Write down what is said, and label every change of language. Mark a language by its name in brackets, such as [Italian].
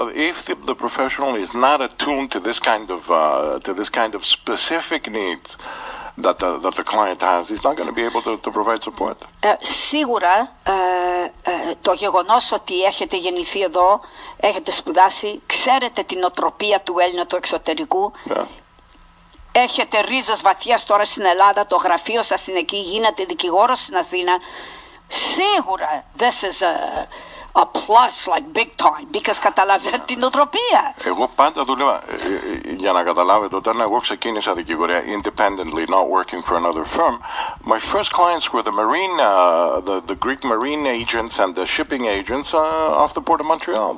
[English] If the professional is not attuned to this kind of specific need that the client has, he's not going to be able to provide support. [Greek] Σίγουρα, το γεγονός ότι έχετε γεννηθεί εδώ, έχετε σπουδάσει, ξέρετε την οτροπία του Έλληνα του εξωτερικού. [English] Yeah. [Greek] Έχετε ρίζες βαθιάς τώρα στην Ελλάδα, το γραφείο σας είναι εκεί, γίνατε δικηγόρος στην Αθήνα. [English] Σίγουρα, this is a plus, like big time, because [Greek] καταλαβαίνετε την οτροπία. Εγώ πάντα δουλεύω, για να καταλάβετε, όταν εγώ ξεκίνησα δικηγορία, [English] independently, not working for another firm, my first clients were the marine, the Greek marine agents and the shipping agents off the port of Montreal.